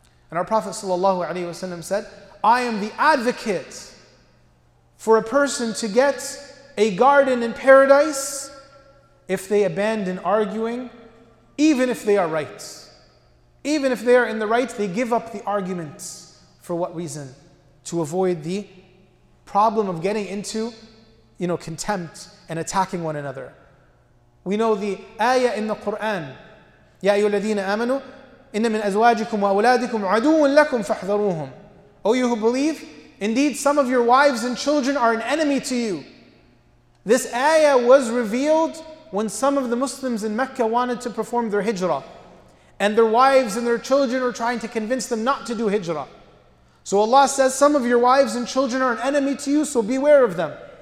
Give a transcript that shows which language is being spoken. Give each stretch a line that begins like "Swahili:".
English: And our Prophet sallallahu alaihi wasallam said, I am the advocate for a person to get a garden in paradise if they abandon arguing, even if they are right. Even if they are in the right, they give up the arguments. For what reason? To avoid the problem of getting into, you know, contempt and attacking one another. We know the ayah in the Quran,
Arabic: يَا أَيُّهَا الَّذِينَ آمَنُوا إِنَّ مِنْ أَزْوَاجِكُمْ وَأَوْلَادِكُمْ عَدُوٌ لَكُمْ فَاحْذَرُوهُمْ.
English: O you who believe, indeed some of your wives and children are an enemy to you. This ayah was revealed when some of the Muslims in Mecca wanted to perform their hijrah. And their wives and their children were trying to convince them not to do hijrah. So Allah says, some of your wives and children are an enemy to you, so beware of them.